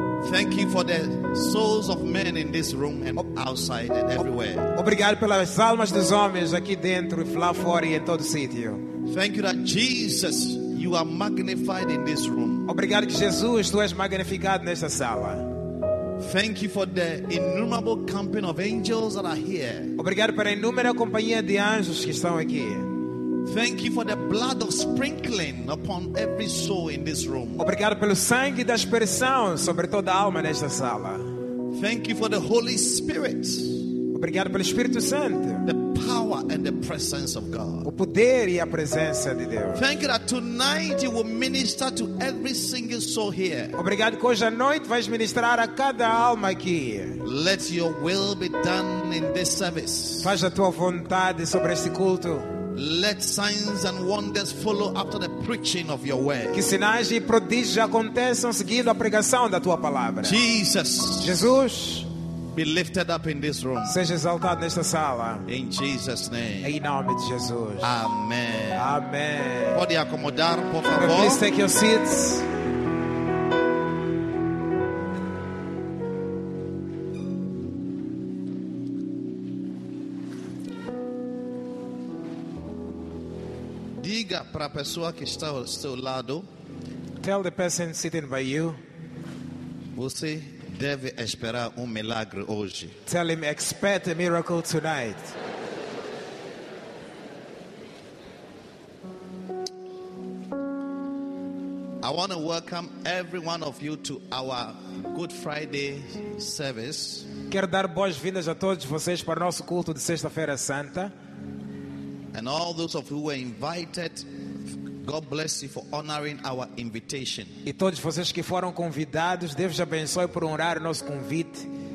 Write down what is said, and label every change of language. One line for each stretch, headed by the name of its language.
English: Thank you for the souls of men in this room and outside and everywhere.
Portuguese: Obrigado pelas almas dos homens aqui dentro e lá fora e em todo sítio.
English: Thank you that Jesus, you are magnified in this room.
Portuguese: Obrigado que Jesus, tu és magnificado nesta sala.
English: Thank you for the innumerable company of angels that are here.
Portuguese: Obrigado pela inúmera companhia de anjos que estão aqui.
English: Thank you for the blood of sprinkling upon every soul in this room.
Portuguese: Obrigado pelo sangue da aspersão sobre toda a alma nesta sala.
English: Thank you for the Holy Spirit.
Portuguese: Obrigado pelo Espírito Santo.
English: The power and the presence of God.
Portuguese: O poder e a presença de Deus.
English: Thank you that tonight you will minister to every single soul here.
Portuguese: Obrigado que hoje à noite vais ministrar a cada alma aqui.
English: Let your will be done in this service.
Portuguese: Faz a tua vontade sobre este culto.
English: Let signs and wonders follow after the preaching of your word.
Portuguese: Que sinais e prodígios aconteçam seguindo a pregação da tua palavra.
English: Jesus.
Portuguese: Jesus.
English: Be lifted up in this room.
Portuguese: Seja exaltado nesta sala.
English: In Jesus' name.
Portuguese: Em nome de Jesus.
English: Amen.
Portuguese: Amen. Pode acomodar, por favor.
English: Please take your seats.
Portuguese: Diga para a pessoa que está ao seu lado.
English: Tell the person sitting by you.
Portuguese: Você deve esperar milagre hoje.
English: Tell him expect a miracle tonight. I want to welcome every one of you to our Good Friday service.
Portuguese: Quero dar boas-vindas a todos vocês para o nosso culto de Sexta-feira Santa.
English: And all those of you who were invited, God bless you for honoring our invitation.
Portuguese: E todos vocês que foram convidados, Deus abençoe por honrar nosso convite.